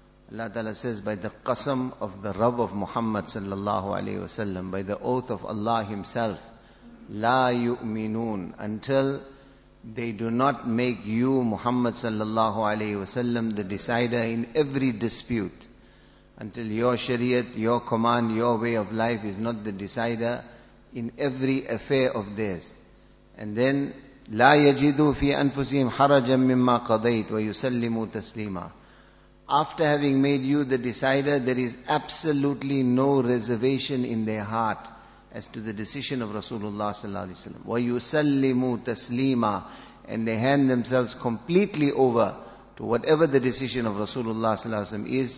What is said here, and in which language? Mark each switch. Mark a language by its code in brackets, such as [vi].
[en] Allah Ta'ala says, by the qasam of the Rabb of Muhammad sallallahu alayhi wa sallam, by the oath of Allah Himself, [ar] لَا يُؤْمِنُونَ, [en] until they do not make you, Muhammad sallallahu alayhi wa sallam, the decider in every dispute. Until your Shariat, your command, your way of life is not the decider in every affair of theirs. And then, [ar] لا يجدوا في أنفسهم حرجا مما قضيت ويسلموا تسليما. [en] after having made you the decider, there is absolutely no reservation in their heart as to the decision of Rasulullah sallallahu alaihi wasallam. Wa yusallimu taslima, and they hand themselves completely over to whatever the decision of Rasulullah sallallahu alaihi wasallam is.